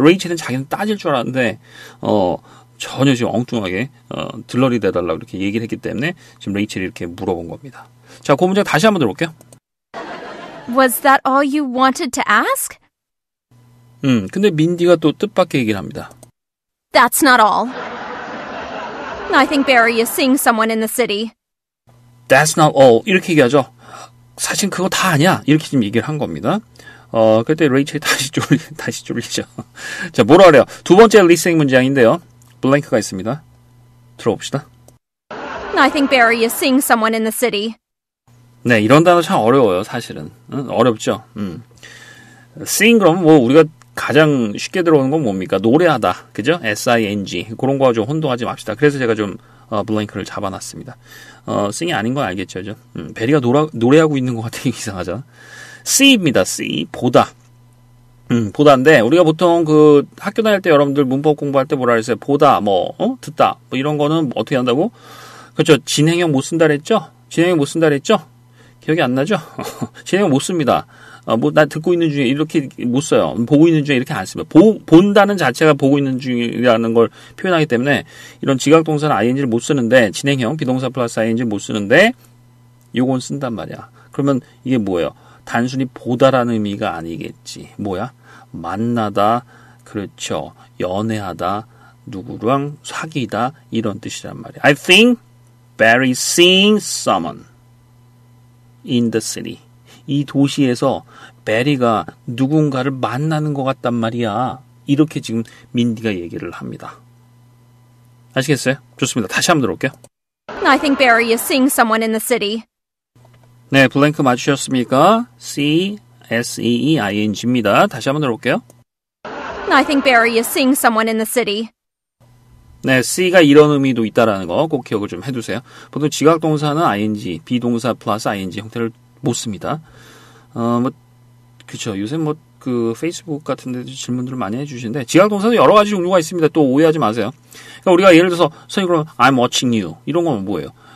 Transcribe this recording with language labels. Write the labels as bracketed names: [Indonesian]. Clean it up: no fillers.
[Korean] 레이첼은 자기는 따질 줄 알았는데 전혀 지금 엉뚱하게 들러리 대달라고 이렇게 얘기를 했기 때문에 지금 레이첼이 이렇게 물어본 겁니다. 자, 그 문장 다시 한번 들어볼게요. [English] Was that all you wanted to ask? [Korean] 근데 민디가 또 뜻밖의 얘기를 합니다. [English] That's not all. I think Barry is seeing someone in the city. That's not all. [Korean] 이렇게 얘기하죠. 사실 그거 다 아니야. 이렇게 지금 얘기를 한 겁니다. 그때 레이첼이 다시 쫄리죠. 자, 뭐라 그래요? 두 번째 리스닝 문장인데요. 블랭크가 있습니다. 들어봅시다. [English] I think Barry is seeing someone in the city. [Korean] 네, 이런 단어 참 어려워요, 사실은. 어렵죠. Sing 그러면 뭐 우리가 가장 쉽게 들어오는 건 뭡니까? 노래하다, 그죠? S-I-N-G. 그런 거 좀 혼동하지 맙시다. 그래서 제가 좀 블랭크를 잡아놨습니다. Sing이 아닌 건 알겠죠, 그죠? 베리가 노래하고 있는 것 같아요. 이상하잖아. See입니다, see. 보다. 보다인데 우리가 보통 그 학교 다닐 때 여러분들 문법 공부할 때 뭐라 그랬어요? 보다, 뭐 듣다, 뭐 이런 거는 뭐 어떻게 한다고? 그렇죠. 진행형 못 쓴다 그랬죠? 진행형 못 쓴다 그랬죠? 기억이 안 나죠? 진행형 못 씁니다. 뭐 나 듣고 있는 중에 이렇게 못 써요. 보고 있는 중에 이렇게 안 씁니다. 본다는 자체가 보고 있는 중이라는 걸 표현하기 때문에 이런 지각동사는 ing를 못 쓰는데 진행형 비동사 플러스 ing를 못 쓰는데 요건 쓴단 말이야. 그러면 이게 뭐예요? 단순히 보다라는 의미가 아니겠지. 뭐야? 만나다, 그렇죠. 연애하다, 누구랑 사귀다, 이런 뜻이란 말이야. [English] I think Barry's seeing someone in the city. [Korean] 이 도시에서 베리가 누군가를 만나는 것 같단 말이야. 이렇게 지금 민디가 얘기를 합니다. 아시겠어요? 좋습니다. 다시 한번 들어볼게요. [English] I think Barry is seeing someone in the city. [Korean] 네, 블랭크 맞추셨습니까? C-S-E-E-I-N-G입니다. 다시 한번 들어볼게요. [English] I think Barry is seeing someone in the city. [Korean] 네, C가 이런 의미도 있다라는 거 꼭 기억을 좀 해두세요. 보통 지각동사는 ing, 비동사 플러스 ing 형태를 못 씁니다. 그쵸. 요새 뭐, 그, 페이스북 같은 데도 질문들을 많이 해주시는데, 지각동사는 여러 가지 종류가 있습니다. 또 오해하지 마세요. 그러니까 우리가 예를 들어서, 선생님, 그럼 [English] I'm watching you. [Korean] 이런 거면 뭐예요?